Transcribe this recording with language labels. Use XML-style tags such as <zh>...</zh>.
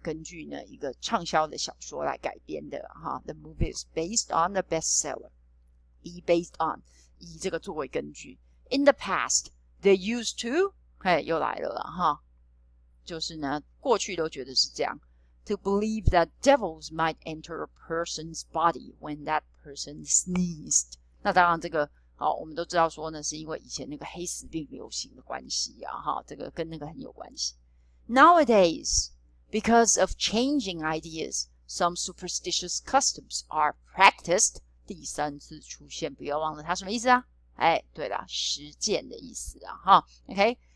<zh>根据呢一个畅销的小说来改编的哈。</zh> <en>The movie is based on the bestseller. Be based on</en> <zh>以这个作为根据。</zh> <en>In the past, they used to</en> <zh>嘿，又来了哈。就是呢，过去都觉得是这样。</zh> <en>To believe that devils might enter a person's body when that person sneezed.</en> <zh>那当然这个好，我们都知道说呢，是因为以前那个黑死病流行的关系啊，哈，这个跟那个很有关系。</zh> <en>Nowadays, because of changing ideas, some superstitious customs are practiced.</en> <zh>第三次出现，不要忘了它什么意思啊？哎，对了，实践的意思啊，哈 ，OK.</zh>